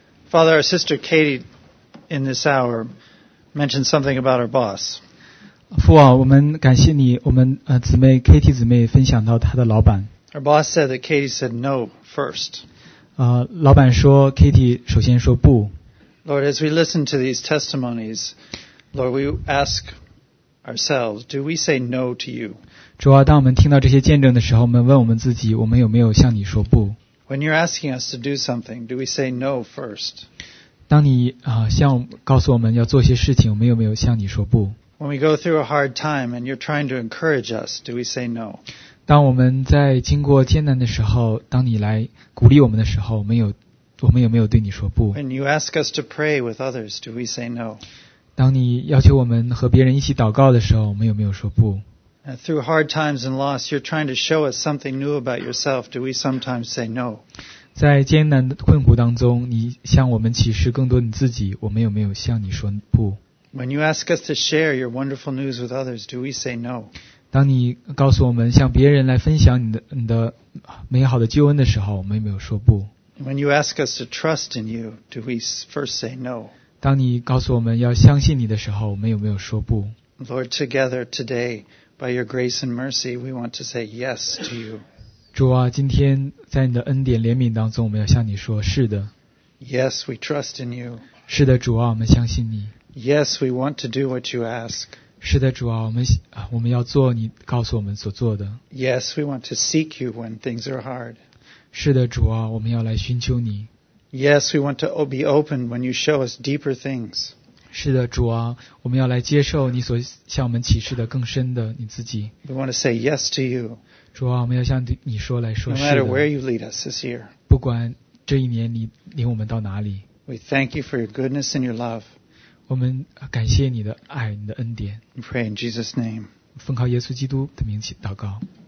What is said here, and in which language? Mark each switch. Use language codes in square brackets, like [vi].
[en] Father, our sister Katie in this hour mentioned something about her boss. [zh] 父啊，我们感谢你，我们姊妹 Katie 姊妹分享到她的老板。 [en] Her boss said that Katie said no first. [zh] 老板说 Katie 首先说不。 [en] Lord, as we listen to these testimonies, Lord, we ask ourselves, do we say no to you? [zh] 主啊，当我们听到这些见证的时候，我们问我们自己，我们有没有向你说不？ [en] When you're asking us to do something, do we say no first? [zh] 当你向告诉我们要做些事情，我们有没有向你说不？ [en] When we go through a hard time and you're trying to encourage us, do we say no? [zh] 当我们在经过艰难的时候，当你来鼓励我们的时候，我们有没有对你说不？ [en] When you ask us to pray with others, do we say no? [zh] 当你要求我们和别人一起祷告的时候，我们有没有说不？ [en] Through hard times and loss, you're trying to show us something new about yourself. Do we sometimes say no? [zh] 在艰难的困苦当中，你向我们启示更多你自己，我们有没有向你说不？ [en] When you ask us to share your wonderful news with others, do we say no? [zh] 当你告诉我们向别人来分享你的美好的救恩的时候，我们有没有说不？ [en] When you ask us to trust in you, do we first say no? [zh] 当你告诉我们要相信你的时候，我们有没有说不？ [en] Lord, together today,By your grace and mercy, we want to say yes to you. [zh] 主啊，今天在你的恩典怜悯当中，我们要向你说是的。 [en] Yes, we trust in you. [zh] 是的，主啊，我们相信你。 [en] Yes, we want to do what you ask. [zh] 是的，主啊，我们要做你告诉我们所做的。 [en] Yes, we want to seek you when things are hard. [zh] 是的，主啊，我们要来寻求你。 [en] Yes, we want to be open when you show us deeper things. [zh] 是的，主啊，我们要来接受你所向我们启示的更深的你自己。 [en] We want to say yes to you. [zh] 主啊，我们要向你说来说是的。 [en] No matter where you lead us this year. [zh] 不管这一年你领我们到哪里。 [en] We thank you for your goodness and your love. [zh] 我们感谢你的爱，你的恩典。 [en] We pray in Jesus' name. [zh] 奉靠耶稣基督的名祷告。